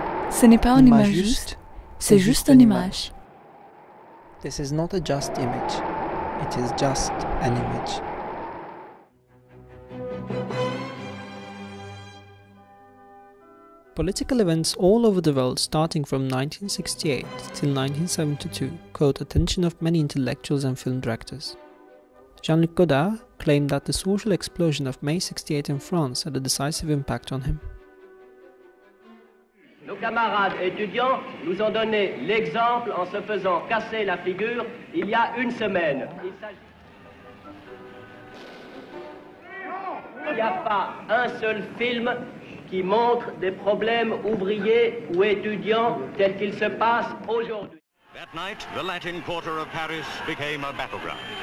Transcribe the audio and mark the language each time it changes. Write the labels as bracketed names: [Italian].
[French] Ce n'est pas une image juste, c'est juste une image. [English] This is not a just image, it is just an image. Political events all over the world starting from 1968 till 1972 caught attention of many intellectuals and film directors. Jean-Luc Godard claimed that the social explosion of May 68 in France had a decisive impact on him. [French] Nos camarades étudiants nous ont donné l'exemple en se faisant casser la figure il y a une semaine. Il n'y a pas un seul film qui montre des problèmes ouvriers ou étudiants tels qu'ils se passent aujourd'hui. [English] That night, the Latin Quarter of Paris became a battleground.